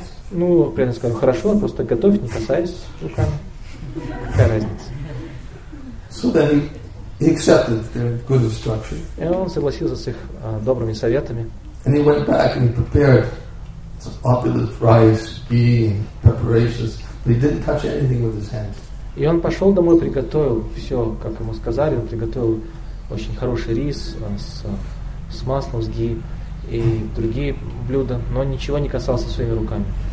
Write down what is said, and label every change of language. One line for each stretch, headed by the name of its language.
Russian: Ну, преданный сказал, хорошо, просто готовь, не касаясь руками. Какая разница?
English: So then he accepted their good instruction.
Russian: И он согласился с их добрыми советами.
English: And he went back and he prepared some opulent rice, ghee, and preparations, but he didn't touch anything with his hands.
Russian: И он пошел домой, приготовил все, как ему сказали, он приготовил очень хороший рис с маслом, с ги и другие блюда, но ничего не касался своими руками.